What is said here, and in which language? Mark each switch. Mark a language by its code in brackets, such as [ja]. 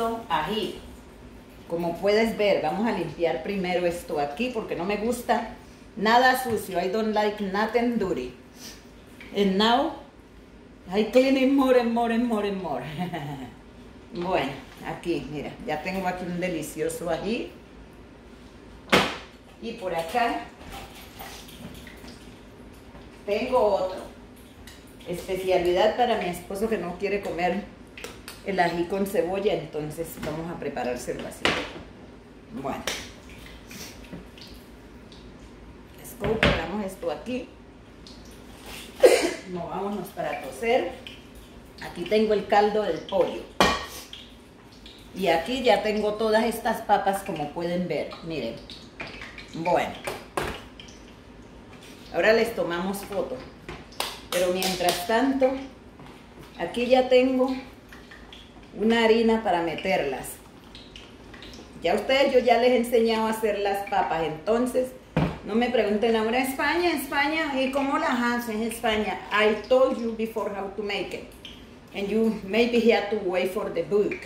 [es] Ají, como puedes ver, vamos a limpiar primero esto aquí porque no me gusta nada sucio. [en] I don't like nothing dirty. And now I clean it more and more and more and more. [es] Bueno, aquí, mira, ya tengo aquí un delicioso ají. Y por acá tengo otro. Especialidad para mi esposo que no quiere comer el ají con cebolla, entonces vamos a preparárselo así. Bueno. Es como pegamos esto aquí. Movámonos para tocer. Aquí tengo el caldo del pollo. Y aquí ya tengo todas estas papas, como pueden ver. Miren. Bueno. Ahora les tomamos foto. Pero mientras tanto, aquí ya tengo una harina para meterlas. Ya ustedes, yo ya les he enseñado a hacer las papas. Entonces, no me pregunten ahora, España, España, ¿y cómo las haces, España? [en] I told you before how to make it. And you maybe have to wait for the book.